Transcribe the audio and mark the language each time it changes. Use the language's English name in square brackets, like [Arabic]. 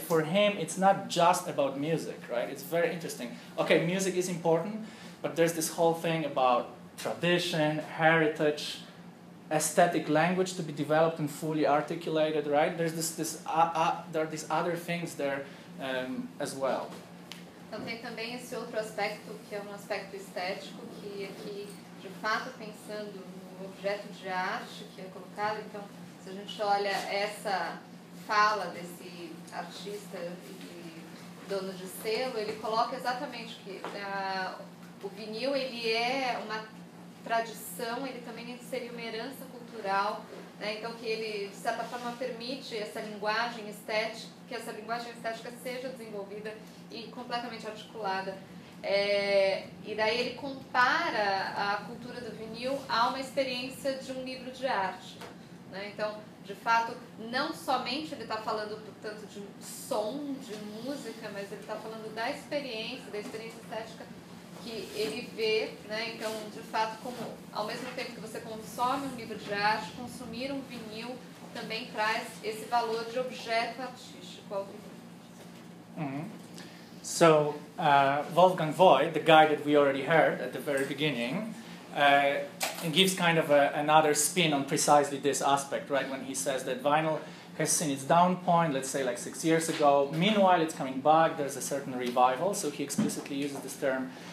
[English] For him, it's not just about music, right? It's very interesting. Okay, music is important, but there's this whole thing about tradition, heritage, aesthetic language to be developed and fully articulated, right? There's there are these other things there as well. [Portuguese] Então tem também esse outro aspecto, que é aspecto estético, que aqui, de fato, pensando no objeto de arte que colocado, então, se a gente olha essa fala desse artista dono de selo, ele coloca exatamente que o vinil, ele é uma tradição, ele também seria uma herança cultural, né? Então, que ele, de certa forma, permite essa linguagem estética, que essa linguagem estética seja desenvolvida e completamente articulada. É, e daí ele compara a cultura do vinil a uma experiência de um livro de arte, né? Então, de fato, não somente ele está falando tanto de som, de música, mas ele está falando da experiência estética que ele vê, né? Então, de fato, como ao mesmo tempo que você consome um livro de arte, consumir um vinil também traz esse valor de objeto artístico ao vinil. Uhum. [English] So, Wolfgang Voigt, the guy that we already heard at the very beginning, gives kind of another spin on precisely this aspect, right? When he says that vinyl has seen its down point, let's say like 6 years ago. Meanwhile, it's coming back. There's a certain revival. So he explicitly uses this term.